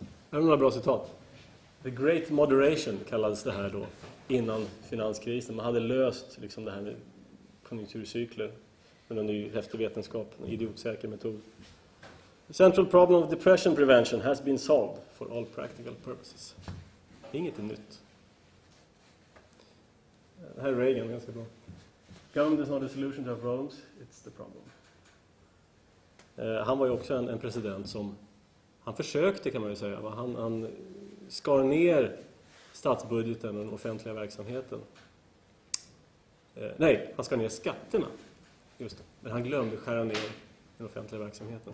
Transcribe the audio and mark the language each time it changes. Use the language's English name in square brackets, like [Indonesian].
[Swedish] Är det några bra citat? The Great Moderation kallades det här då, innan finanskrisen. Man hade löst liksom det här med konjunkturcykler med en ny häftig vetenskap, en idiotsäker metod. [English] The central problem of depression prevention has been solved for all practical purposes. [Swedish] Inget är nytt. Det här är Reagan, ganska bra. [English] Government is not the solution to our problems, it's the problem. [Swedish] Han var ju också en president som, han försökte kan man ju säga, han skar ner statsbudgeten och den offentliga verksamheten. Nej, han skar ner skatterna. Just det. Men han glömde skära ner den offentliga verksamheten.